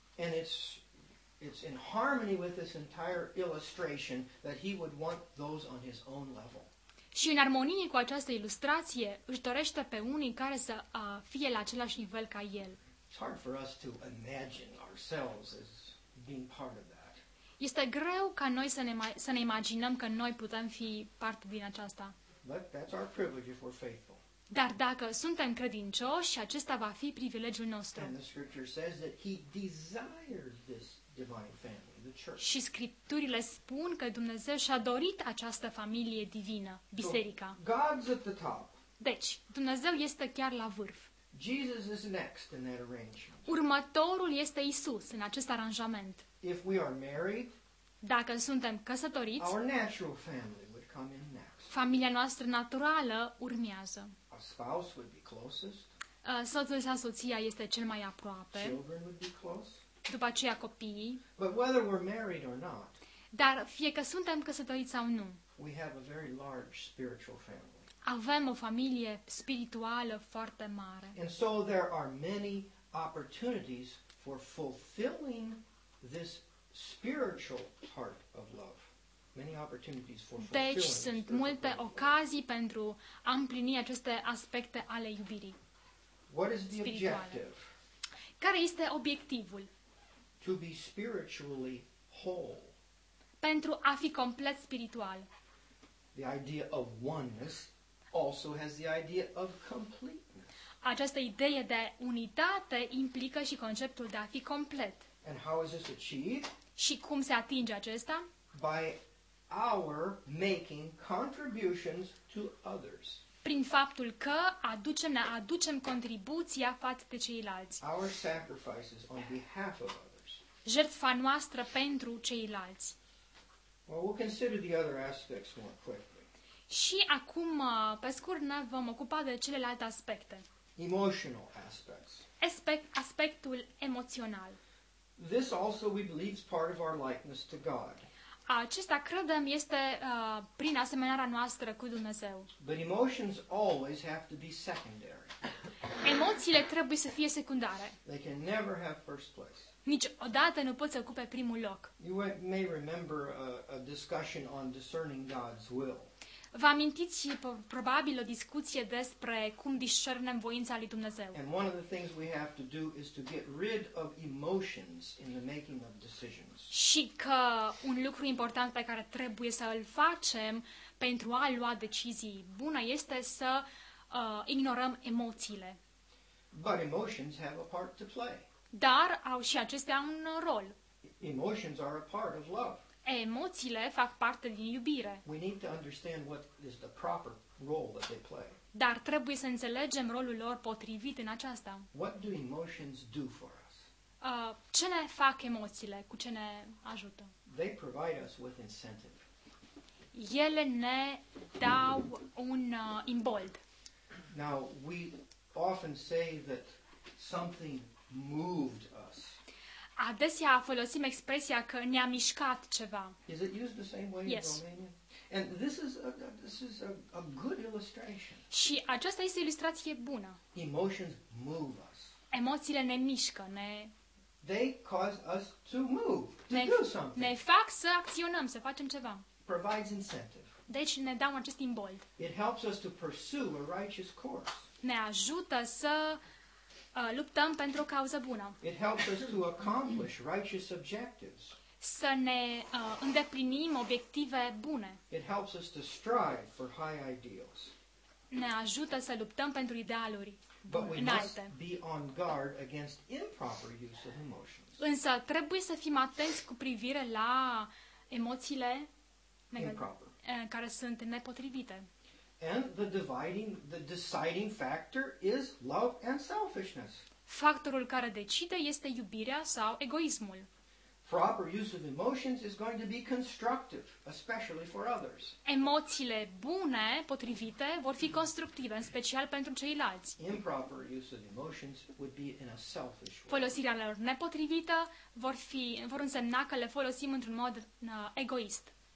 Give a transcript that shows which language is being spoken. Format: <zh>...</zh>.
<en>And it's in harmony with this entire illustration that he would want those on his own level.</en> <ro>Și în armonie cu această ilustrație, își dorește pe unii care să fie la același nivel ca el.</ro> <en>It's hard for us to imagine ourselves as being part of that.</en> <ro>Este greu ca noi să ne imaginăm că noi putem fi parte din aceasta.</ro> <en>But that's our privilege if we're faithful.</en> <ro>Dar dacă suntem credincioși, acesta va fi privilegiul nostru.</ro> <en>And the scripture says that he desires this divine family, the church.</en> <ro>Și scripturile spun că Dumnezeu și-a dorit această familie divină, biserica.</ro> <en>So, God's at the top.</en> <ro>Deci, Dumnezeu este chiar la vârf.</ro> <en>Jesus is next in that arrangement.</en> <ro>Următorul este Isus în acest aranjament.</ro> <en>If we are married,</en> <ro>dacă suntem căsătoriți,</ro> <en>our natural family would come in next.</en> <ro>Familia noastră naturală urmează.</ro> <en>A spouse would be closest.</en> <ro>Soțul sau soția este cel mai aproape.</ro> <en>Children would be close.</en> <ro>După aceea copiii.</ro> <en>But whether we're married or not,</en> <ro>dar fie că suntem căsătoriți sau nu,</ro> <en>we have a very large spiritual family.</en> <ro>Avem o familie spirituală foarte mare.</ro> <en>And so there are many opportunities for fulfilling this spiritual part of love. Many opportunities for fulfilling.</en> <ro>Deci sunt multe ocazii pentru a împlini aceste aspecte ale iubirii.</ro> <en>What is the objective?</en> <ro>Care este obiectivul?</ro> <en>To be spiritually whole.</en> <ro>Pentru a fi complet spiritual.</ro> <en>The idea of oneness also has the idea of completeness.</en> <ro>Această idee de unitate implică și conceptul de a fi complet.</ro> <en>And how is this achieved?</en> <ro>Și cum se atinge acesta?</ro> <en>By our making contributions to others.</en> <ro>Prin faptul că ne aducem contribuția față de ceilalți.</ro> <en>Our sacrifices on behalf of others.</en> <ro>Jertfa noastră pentru ceilalți.</ro> <en>Well, we'll consider the other aspects more quickly.</en> <ro>Și acum, pe scurt, ne vom ocupa de celelalte aspecte.</ro> <en>Emotional aspects.</en> <ro>Aspectul emoțional.</ro> <en>This also we believe is part of our likeness to God.</en> <ro>Acesta, credem, este prin asemănarea noastră cu Dumnezeu.</ro> <en>But emotions always have to be secondary.</en> <ro>Emoțiile trebuie să fie secundare.</ro> <en>They can never have first place.</en> <ro>Niciodată nu poți să ocupe primul loc.</ro> <en>You may remember a discussion on discerning God's will.</en> <ro>Vă amintiți probabil o discuție despre cum discernem voința lui Dumnezeu.</ro> <en>And one of the things we have to do is to get rid of emotions in the making of decisions.</en> <ro>Și că un lucru important pe care trebuie să îl facem pentru a lua decizii bune este să ignorăm emoțiile.</ro> <en>But emotions have a part to play.</en> <ro>Dar au și acestea un rol.</ro> <en>Emotions are a part of love.</en> <ro>Emoțiile fac parte din iubire.</ro> <en>We need to understand what is the proper role that they play.</en> <ro>Dar trebuie să înțelegem rolul lor potrivit în aceasta.</ro> <en>What do emotions do for us?</en> <ro>Ce ne fac emoțiile? Cu ce ne ajută?</ro> <en>They provide us with incentive.</en> <ro>Ele ne dau un imbold.</ro> <en>Now, we often say that something moved us.</en> <ro>Adesea folosim expresia că ne-a mișcat ceva.</ro> <en>Is it used the same way yes. in Romanian? And this is a good illustration.</en> <ro>Și aceasta este ilustrație bună.</ro> <en>Emotions move us.</en> <ro>Emoțiile ne mișcă, ne</ro> <en>They cause us to move, to do something.</en> <ro>Ne fac să acționăm, să facem ceva.</ro> <en>Provides incentive.</en> <ro>Deci ne dau acest imbold.</ro> <en>It helps us to pursue a righteous course.</en> <ro>Ne ajută să luptăm pentru o cauză bună.</ro> <en>It helps us to accomplish righteous objectives.</en> <ro>Să ne îndeplinim obiective bune.</ro> <en>It helps us to strive for high ideals.</en> <ro>Ne ajută să luptăm pentru idealuri înalte.</ro> <en>Must be on guard against improper use of emotions.</en> <ro>Însă trebuie să fim atenți cu privire la emoțiile care sunt nepotrivite.</ro> <en>And the deciding factor is love and selfishness.</en> <ro>Factorul care decide este iubirea sau egoismul.</ro> <en>Proper use of emotions is going to be constructive, especially for others.</en> <ro>Emoțiile bune, potrivite, vor fi constructive, în special pentru ceilalți.</ro> <en>Improper use of emotions would be in a selfish way.</en> <ro>Folosirea lor nepotrivită vor însemna că le folosim într-un mod egoist.</ro>